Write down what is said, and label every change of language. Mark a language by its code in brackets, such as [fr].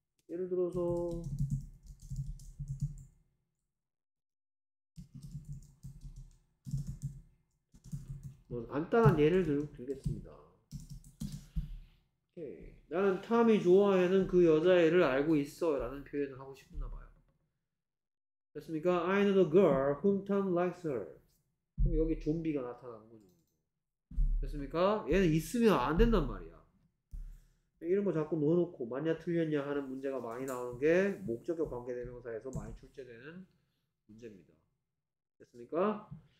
[ko] 예를 들어서 뭐 간단한 예를 들겠습니다. 오케이. 나는 탐이 좋아하는 그 여자애를 알고 있어 라는 표현을 하고 싶나 봐요. 됐습니까? [en] I know the girl whom Tom likes her. [ko] 그럼 여기 좀비가 나타난 거죠. 됐습니까? 얘는 있으면 안 된단 말이야. 이런 거 자꾸 넣어놓고 맞냐 틀렸냐 하는 문제가 많이 나오는 게 목적격 관계대명사에서 많이 출제되는 문제입니다. 됐습니까?